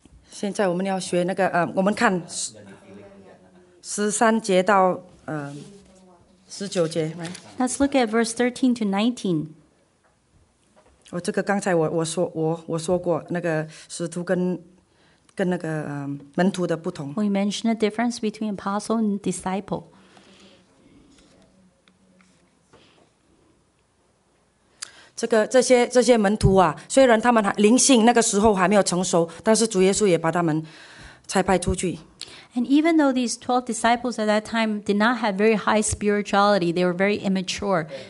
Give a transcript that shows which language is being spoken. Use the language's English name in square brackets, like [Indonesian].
[Chinese] 现在我们要学那个我们看13节到19节。 [English] Right? Let's look at verse 13 to 19. [Chinese] 这个刚才我说过那个使徒跟那个门徒的不同。 [English] We mentioned the difference between apostle and disciple. [Chinese] 这些门徒啊，虽然他们灵性那个时候还没有成熟，但是主耶稣也把他们差派出去。 [English] And even though these 12 disciples at that time did not have very high spirituality, they were very immature.